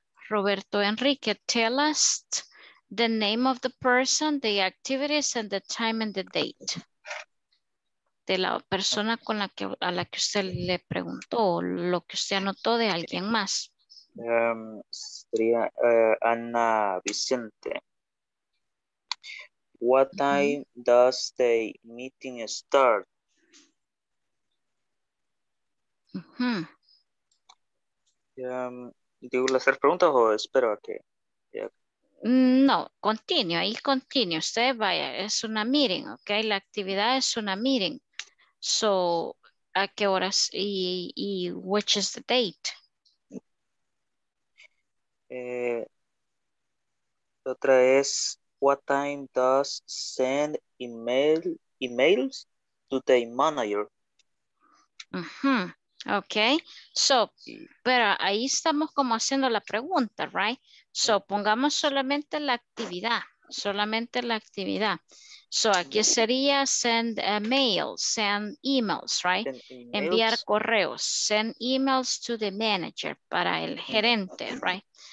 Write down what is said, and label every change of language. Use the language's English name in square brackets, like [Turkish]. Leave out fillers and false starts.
[English] Roberto Enrique, tell us the name of the person, the activities, and the time and the date. [Spanish] De la persona con la que, a la que usted le preguntó, lo que usted anotó de alguien más. Sería Ana Vicente. [English] What time does the meeting start? [Spanish] ¿Digo hacer preguntas o espero a que? No, continúe, ahí continúe. Usted vaya, es una meeting, ok. La actividad es una meeting. So, ¿a qué horas? [English] ¿Y which is the date? Otra es, what time does send emails to the manager? [Spanish] Ok, so, pero ahí estamos como haciendo la pregunta, right? [English] So, [Spanish] pongamos solamente la actividad, [English] So, [Spanish] aquí sería [English] send a mail, send emails, right? [Spanish] Enviar correos, [English] send emails to the manager, [Spanish] para el gerente, [English] right?